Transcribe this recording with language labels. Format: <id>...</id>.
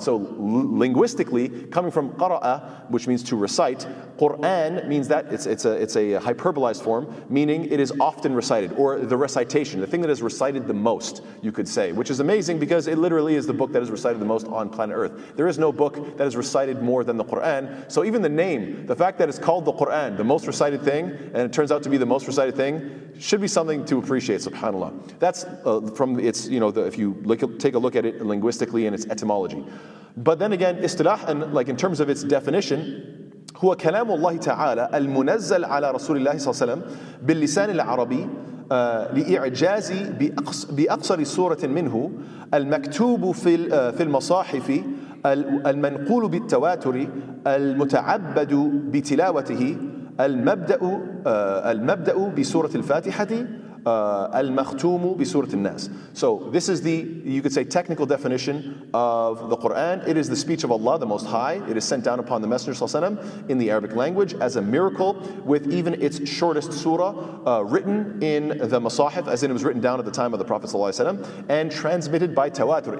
<en>So linguistically, coming from qara'a, which means to recite, Qur'an means that it's a hyperbolized form, meaning it is often recited, or the recitation, the thing that is recited the most, you could say, which is amazing because it literally is the book that is recited the most on planet Earth. There is no book that is recited more than the Qur'an. So even the name, the fact that it's called the Qur'an, the most recited thing, and it turns out to be the most recited thing, should be something to appreciate, subhanAllah. That's from its, you know, take a look at it linguistically and its etymology. But then again, istilah, and like in terms of its definition,</en> <ar>هو كلام الله تعالى المنزل على رسول الله صلى الله عليه وسلم باللسان العربي لإعجاز بأقصر سورة منه المكتوب في المصاحف المنقول بالتواتر المتعبد بتلاوته المبدأ بسورة الفاتحة Al-Makhtumu bi Surat al-Nas.</ar> <en>So this is the, you could say, technical definition of the Qur'an. It is the speech of Allah, the Most High. It is sent down upon the Messenger Sallallahu Alaihi Wasallam in the Arabic language as a miracle, with even its shortest surah written in the Masahif, as in it was written down at the time of the Prophet Sallallahu Alaihi Wasallam, and transmitted by Tawatur.</en>